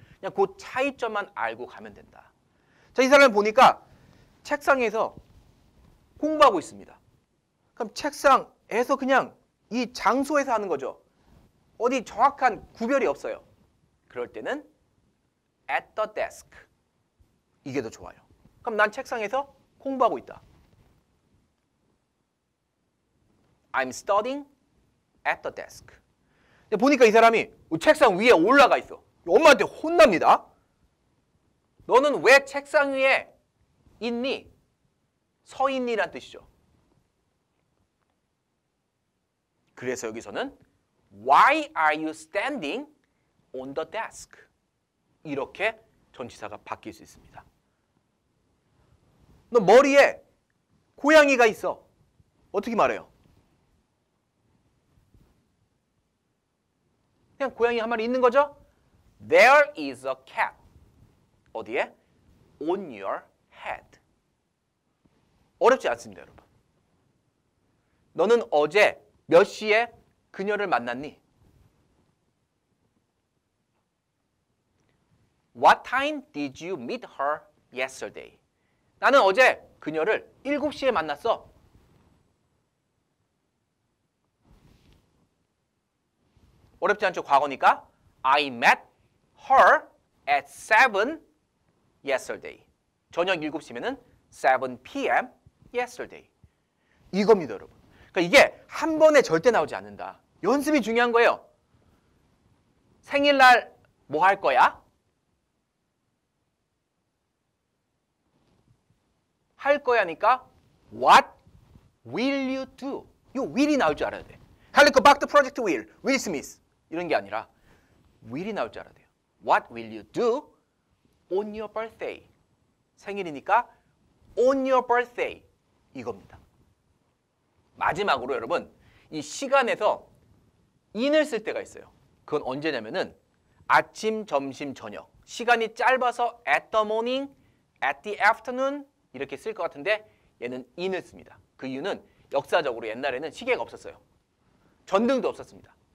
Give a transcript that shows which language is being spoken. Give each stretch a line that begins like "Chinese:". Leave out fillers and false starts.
Korean: 그냥 그 차이점만 알고 가면 된다. 자, 이 사람을 보니까 책상에서 공부하고 있습니다. 그럼 책상에서 그냥 이 장소에서 하는 거죠. 어디 정확한 구별이 없어요. 그럴 때는
English: at the desk.
Korean: 이게 더 좋아요. 그럼 난 책상에서 공부하고 있다.
English: I'm studying at the desk.
Korean: 보니까 이 사람이 책상 위에 올라가 있어. 엄마한테 혼납니다. 너는 왜 책상 위에 있니? 서 있니란 뜻이죠. 그래서 여기서는
English: Why are you standing on the desk?
Korean: 이렇게 전치사가 바뀔 수 있습니다. 너 머리에 고양이가 있어. 어떻게 말해요? 그냥 고양이 한 마리 있는 거죠?
English: There is a cat.
Korean: 어디에?
English: On your head.
Korean: 어렵지 않습니다, 여러분. 너는 어제 몇 시에 그녀를 만났니?
English: What time did you meet her yesterday?
Korean: 나는 어제 그녀를 7시에 만났어. 어렵지 않죠, 과거니까.
English: I met her at 7 yesterday.
Korean: 저녁 7시면은
English: 7 p.m. yesterday.
Korean: 이겁니다, 여러분. 그러니까 이게 한 번에 절대 나오지 않는다. 연습이 중요한 거예요. 생일날 뭐 할 거야? 할 거야니까
English: What will you do?
Korean: 이 will이 나올 줄 알아야 돼. 할리코 박드 프로젝트 will.
English: Will Smith.
Korean: 이런 게 아니라 will이 나올 줄 알아야 돼요.
English: What will you do on your birthday?
Korean: 생일이니까
English: on your birthday.
Korean: 이겁니다. 마지막으로 여러분, 이 시간에서 in을 쓸 때가 있어요. 그건 언제냐면은 아침, 점심, 저녁. 시간이 짧아서
English: at the morning, at the afternoon
Korean: 이렇게 쓸 것 같은데 얘는 in을 씁니다. 그 이유는 역사적으로 옛날에는 시계가 없었어요. 전등도 없었습니다.